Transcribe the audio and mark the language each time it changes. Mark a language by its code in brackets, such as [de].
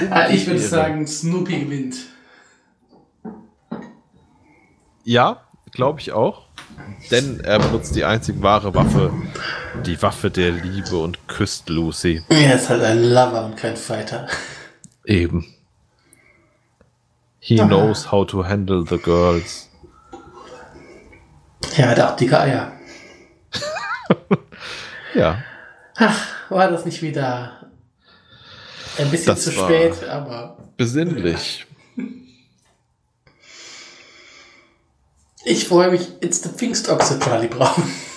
[de] Ich würde sagen, Snoopy gewinnt. Ja, glaube ich auch. Denn er benutzt die einzig wahre Waffe. Die Waffe der Liebe und küsst Lucy. Er ist halt ein Lover und kein Fighter. Eben. [en] He knows how to handle the girls. [de] Ja, er hat auch dicke Eier. Ja. Ach, war das nicht wieder ein bisschen das zu spät, war aber. Besinnlich. Ja. Ich freue mich, [en] it's the [de] Pfingstochse, Charlie Brown.